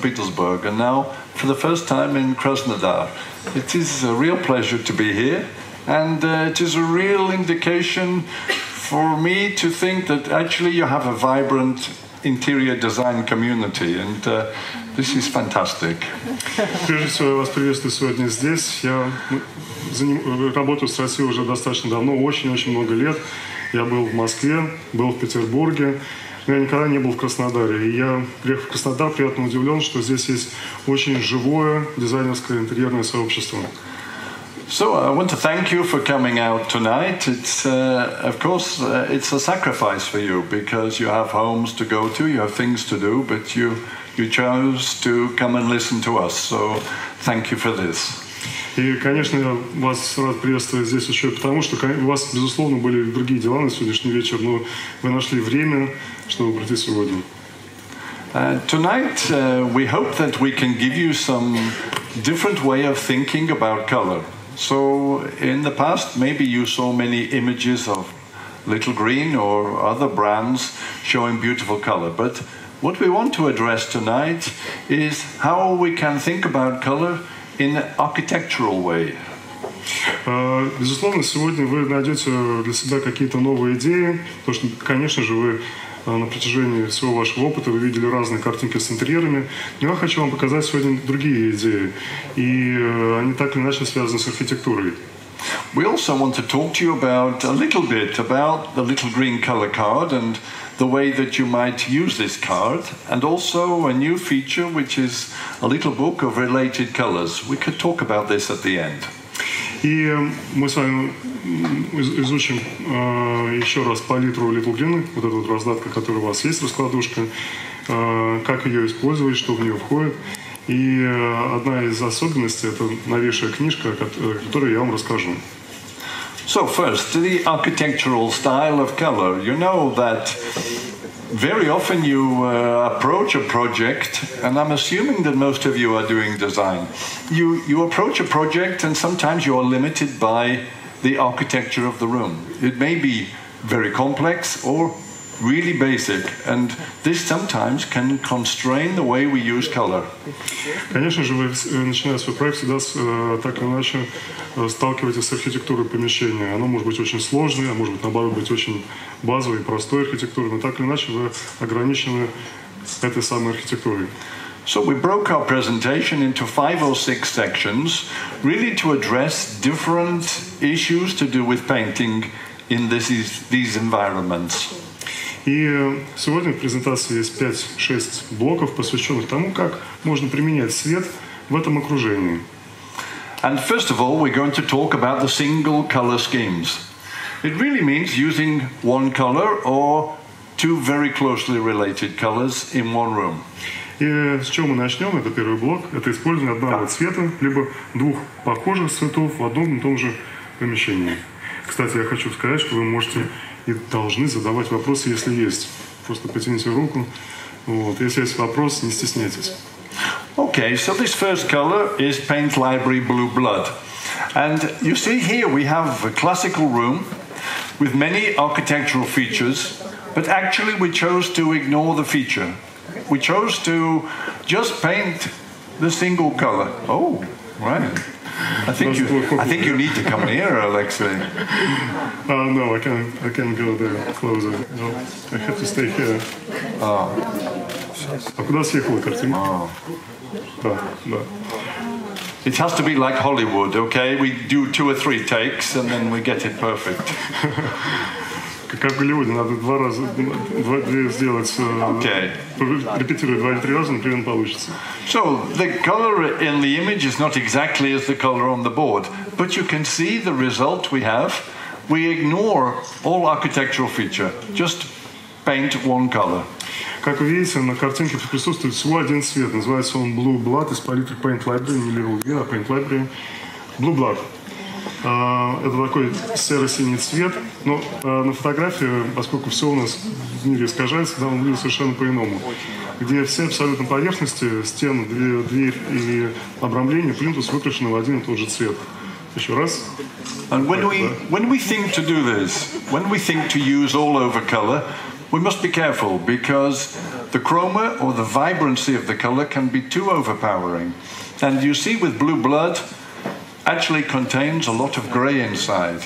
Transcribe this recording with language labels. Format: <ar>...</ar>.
<en>Petersburg, and now for the first time in Krasnodar. It is a real pleasure to be here, and it is a real indication for me to think that actually you have a vibrant interior design community, and this is fantastic.</en> <ru>Прежде всего, я вас приветствую сегодня здесь. Я работаю с Россией уже достаточно давно, очень-очень много лет. Я был в Москве, был в Петербурге, но я никогда не был в Краснодаре. И я приехал в Краснодар, приятно удивлен, что здесь есть очень живое дизайнерское интерьерное сообщество.</ru> <en>So I want to thank you for coming out tonight. It's of course it's a sacrifice for you because you have homes to go to, you have things to do, but you chose to come and listen to us. So thank you for this.</en> <ru>И, конечно, я вас рад приветствовать здесь еще и потому, что у вас, безусловно, были другие дела на сегодняшний вечер, но вы нашли время, чтобы прийти сегодня.</ru> <en>Tonight we hope that we can give you some different way of thinking about color. So in the past, maybe you saw many images of Little Green or other brands showing beautiful color. But what we want to address tonight is how we can think about color in an architectural way.</en> <ru>Безусловно, сегодня вы найдете для себя какие-то новые идеи, потому что, конечно же, вы на протяжении всего вашего опыта вы видели разные картинки с интерьерами. Но я хочу вам показать сегодня другие идеи. И они так или иначе связаны с архитектурой.</ru> <en>We also want to talk to you about a little bit about the Little Green color card and the way that you might use this card, and also a new feature, which is a little book of related colors. We could talk about this at the end.</en> <ru>И мы с вами изучим еще раз палитру Little Green, вот эта вот раздатка, которая у вас есть, раскладушка, как ее использовать, что в нее входит. И одна из особенностей – это новейшая книжка, которую я вам расскажу.</ru> <en>So first, the architectural style of color. You know that very often you approach a project, and I'm assuming that most of you are doing design. You approach a project, and sometimes you are limited by the architecture of the room. It may be very complex or really basic, and this sometimes can constrain the way we use color.</en> <ru>Конечно же, вы начиная свой проект всегда так или иначе сталкиваетесь с архитектурой помещения. Оно может быть очень сложное, а может быть наоборот быть очень базовой и простой архитектурой, но так или иначе вы ограничены этой самой архитектуры.</ru> <en>So we broke our presentation into 5 or 6 sections, really to address different issues to do with painting in these environments.</en> <ru>И сегодня в презентации есть 5-6 блоков, посвященных тому, как можно применять свет в этом окружении.</ru> <en>And first of all, we're going to talk about the single color schemes. It really means using one color or 2 very closely related colors in one room.</en> <ru>И с чего мы начнем? Это первый блок. Это использование одного цвета, либо 2 похожих цветов в одном и том же помещении. Кстати, я хочу сказать, что вы можете и должны задавать вопросы, если есть. Просто потяните руку. Вот. Если есть вопрос, не стесняйтесь.</ru> <en>Okay, so this first color is Paint Library Blue Blood. And you see here we have a classical room with many architectural features, but actually we chose to ignore the feature. We chose to just paint the single color. Oh, right. I think you need to come nearer, Alexei. No, I can't go there closer. No, I have to stay here. Oh.</en> <ru>А куда съехала картинка? Oh. Да.</ru> <en>It has to be like Hollywood, okay? We do 2 or 3 takes and then we get it perfect.</en> <ru>Как в Голливуде, надо 2 раза сделать, репетировать 2 или 3 раза, например, получится.</ru> <en>So, the color in the image is not exactly as the color on the board, but you can see the result we have. We ignore all architectural feature, just paint one color.</en> <ru>Как вы видите, на картинке присутствует всего один цвет, называется он Blue Blood из палитры Paint Library, не Little Green, а Paint Library. Blue Blood. Это такой серо-синий цвет, но на фотографии, поскольку все у нас в мире искажается, да, он выглядит совершенно по-иному. Где все абсолютно поверхности, стены, дверь и обрамление, плинтус выкрашены в один и тот же цвет. Еще раз.</ru> <en>And when we think to do this, when we think to use all over color, we must be careful because the chroma or the vibrancy of the color can be too overpowering. And you see with blue blood, actually contains a lot of gray inside.</en>